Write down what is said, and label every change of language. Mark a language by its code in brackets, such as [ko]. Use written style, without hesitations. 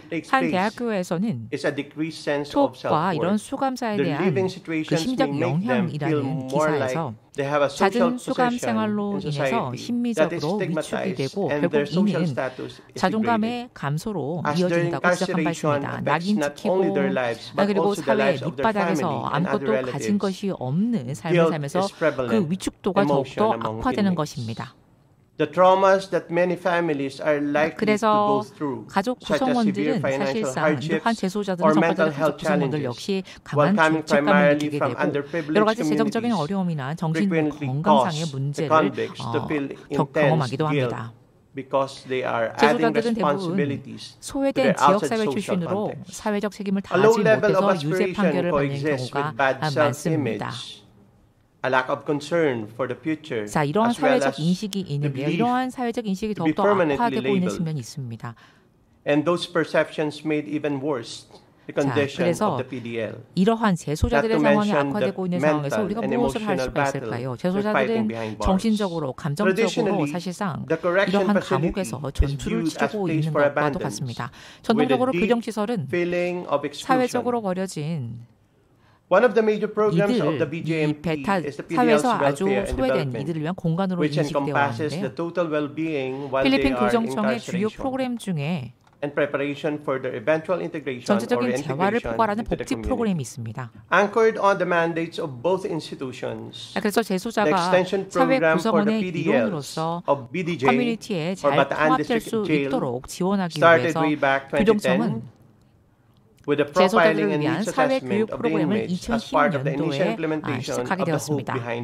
[ko] 한 대학교에서는 투옥과 이런 수감자에 대한 그 심적 영향이라는 기사에서 잦은 수감 생활로 인해서 심리적으로 위축이 되고 결국 이는 자존감의 감소로 이어진다고 지적한 바 있습니다. 낙인 찍히고 그리고 사회 밑바닥에서 아무것도 가진 것이 없는 삶을 살면서 그 위축도가 더욱더 악화되는 것입니다. [en] The traumas that many families are likely to go through, [ko] 가족 구성원들은 사실상 이러한 재소자들 정말 구성원들 역시 강한 죄책감을 느끼게 되고 여러 가지 재정적인 어려움이나 정신 건강상의 문제를 경험하기도 합니다. 재소자들은 대부분 소외된 지역사회 출신으로 사회적 책임을 다하지 못해서 유죄 판결을 받는 경우가 많습니다. [en] A lack of concern for the future, [ko] 자, 이러한 사회적 인식이 있는데 이러한 사회적 인식이 더욱더 악화되고 있는 측면이 있습니다. [en] And those perceptions made even worse the condition of the PDL. [ko] 이러한 재소자들의 상황이 악화되고 있는 상황에서 우리가 무엇을 할 수가 있을까요? 재소자들은 정신적으로, 감정적으로 사실상 이러한 감옥에서 전투를 치르고 있는 것과도 같습니다. 전통적으로 교정시설은 사회적으로 버려진 [en] One of the major programs of the BJMP is the PDL's welfare and development, which encompasses the total well-being while they are incarcerated. And preparation for their eventual integration or reintegration into the community. Anchored on the mandates of both institutions, the extension program for the PDL of BDJ or Bataan District Jail started way back 2010. [ko] 재소자들을 위한 사회교육 프로그램을 2010년도에 시작하게 되었습니다.